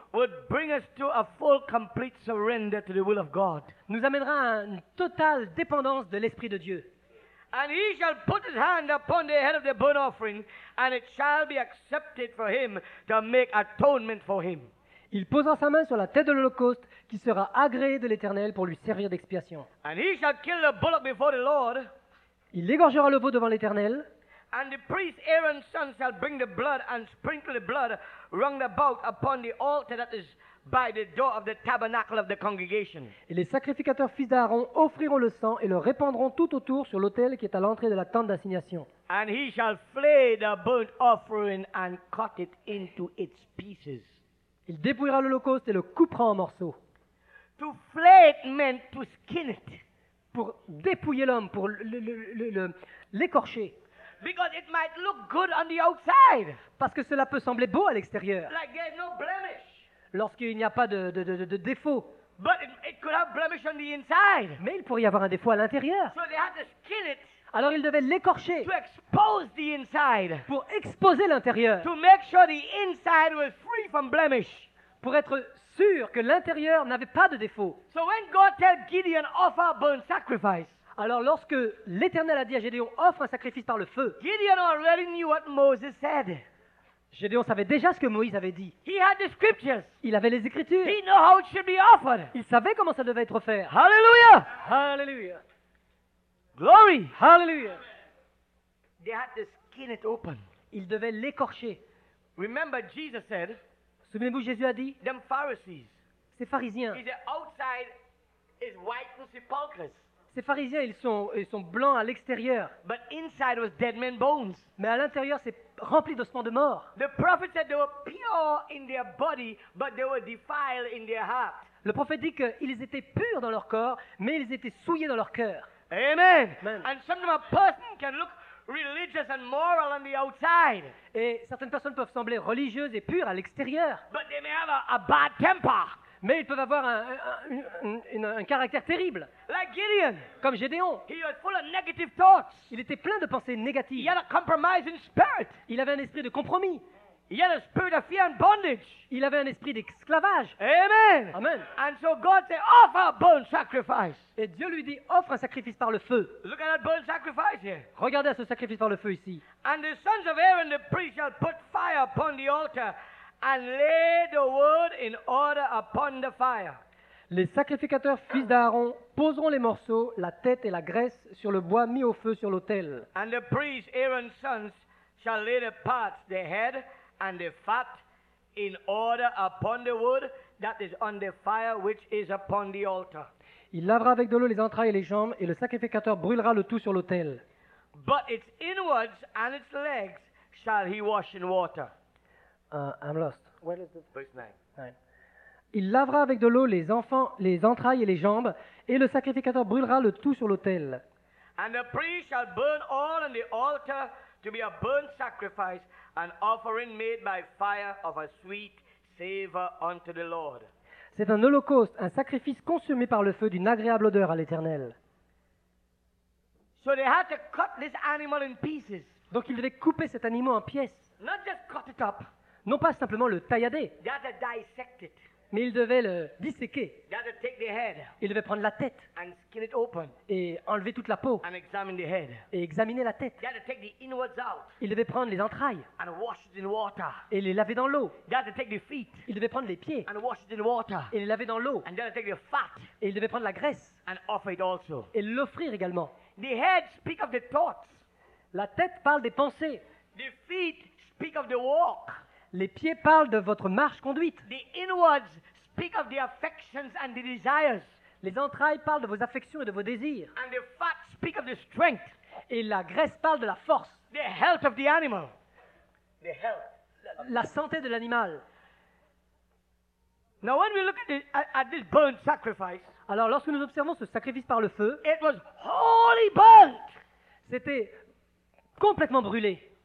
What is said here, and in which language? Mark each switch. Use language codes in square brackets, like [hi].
[en] Would bring us to a full, complete surrender to the will of God. [fr] Nous amènera à une totale dépendance de l'esprit de Dieu. [en] And he shall put his hand upon the head of the burnt offering, and it shall be accepted for him to make atonement for him. [fr] Il posera sa main sur la tête de l'holocauste, qui sera agréé de l'Éternel pour lui servir d'expiation. [en] And he shall kill the bullock before the Lord. [fr] Il égorgera le veau devant l'Éternel. [en] And the priest Aaron's son shall bring the blood and sprinkle the blood round about upon the altar that is by the door of the tabernacle of the congregation. [fr] Et les sacrificateurs fils d'Aaron offriront le sang et le répandront tout autour sur l'autel qui est à l'entrée de la tente d'assignation. [en] And he shall flay the burnt offering and cut it into its pieces. [fr] Il dépouillera l'holocauste et le coupera en morceaux. [en] To flay it meant to skin it. [fr] Pour dépouiller l'homme, pour l'écorcher. [en] Because it might look good on the outside. [fr] Parce que cela peut sembler beau à l'extérieur. [en] Like there's no blemish. [fr] Lorsqu'il n'y a pas de défaut. [en] But it could have blemish on the inside. [fr] Mais il pourrait y avoir un défaut à l'intérieur. [en] So they had to skin it. [fr] Alors il devait l'écorcher. [en] To expose the inside. [fr] Pour exposer l'intérieur. [en] To make sure the inside was free from blemish. [fr] Pour être sûr que l'intérieur n'avait pas de défaut. [en] So when God tell Gideon offer a burnt sacrifice. [fr] Alors lorsque l'Éternel a dit à Gédéon, offre un sacrifice par le feu. [en] Gideon already knew what Moses said. [fr] Gédéon savait déjà ce que Moïse avait dit. [en] He had the scriptures. [fr] Il avait les écritures. [en] He knew how it should be offered. [fr] Il savait comment ça devait être fait. [en] Hallelujah. Hallelujah. Glory. Hallelujah. They had to skin it open. [fr] Il devait l'écorcher. [en] Remember Jesus said. [fr] Souvenez-vous, Jésus a dit. [en] Them Pharisees. [fr] Ces pharisiens. [en] He said outside is white and sepulchres. [fr] Ces pharisiens, ils sont blancs à l'extérieur. [en] But inside was dead men bones. [fr] Mais à l'intérieur, c'est rempli d'ossements de mort. [en] The prophet said they were pure in their body, but they were defiled in their heart. [fr] Le prophète dit qu'ils étaient purs dans leur corps, mais ils étaient souillés dans leur cœur. [en] Amen. Amen. And sometimes a person can look religious and moral on the outside. [fr] Et certaines personnes peuvent sembler religieuses et pures à l'extérieur. [en] But they may have a bad temper. [fr] Mais ils peuvent avoir un caractère terrible. [en] Like Gideon. [fr] Comme Gédéon. [en] He was full of negative thoughts. [fr] Il était plein de pensées négatives. [en] He had a compromising spirit. [fr] Il avait un esprit de compromis. [en] He had a spirit of fear and bondage. [fr] Il avait un esprit d'esclavage. [en] Amen. Amen. And so God said, offer a burnt sacrifice. [fr] Et Dieu lui dit, offre un sacrifice par le feu. [en] Look at that burnt sacrifice here. [fr] Regardez à ce sacrifice par le feu ici. [en] And the sons of Aaron, the priest, shall put fire upon the altar and lay the word in order upon the fire. [fr] Les sacrificateurs fils d'Aaron poseront les morceaux, la tête et la graisse, sur le bois mis au feu sur l'autel. [en] And the priest, Aaron's sons, shall lay the parts, the head and the fat in order upon the wood that is on the fire which is upon the altar. [fr] Il lavera avec de l'eau les entrailles et les jambes, et le sacrificateur brûlera le tout sur l'autel. [en] But its inwards and its legs shall he wash in water. I'm lost. Where is this? Verse 9. [fr] Il lavera avec de l'eau les enfants, les entrailles et les jambes, et le sacrificateur brûlera le tout sur l'autel. [en] And the priest shall burn all on the altar to be a burnt sacrifice, an offering made by fire of a sweet savor unto the Lord. [fr] C'est un holocauste, un sacrifice consumé par le feu d'une agréable odeur à l'Éternel. [en] So they had to cut this animal in pieces. [fr] Donc ils devaient couper cet animal en pièces. [en] Not just cut it up. [fr] Non pas simplement le taillader. [en] They had to dissect it. [fr] Mais ils devaient le disséquer. [en] They had to take the head. [fr] Ils devaient prendre la tête. [en] And skin it open. [fr] Et enlever toute la peau. [en] And examine the head. [fr] Et examiner la tête. [en] They had to take the inwards out. [fr] Ils devaient prendre les entrailles. [en] And wash it in water. [fr] Et les laver dans l'eau. [en] They had to take the feet. [fr] Ils devaient prendre les pieds. [en] And wash it in water. [fr] Et les laver dans l'eau. [en] And they had to take the fat. [fr] Et ils devaient prendre la graisse. [en] And offer it also. [fr] Et l'offrir également. [en] The head speak of the thoughts. [fr] La tête parle des pensées. [en] The feet speak of the walk. [fr] Les pieds parlent de votre marche conduite. [en] The inwards speak of the affections and the desires. [fr] Les entrailles parlent de vos affections et de vos désirs. [en] And the fat speak of the strength. [fr] Et la graisse parle de la force. [en] The health of the animal. The health. [fr] La santé de l'animal. [en] Now when we look at this burnt sacrifice. [fr] Alors lorsque nous observons ce sacrifice par le feu, [en] it was wholly burnt. [fr] C'était complètement brûlé.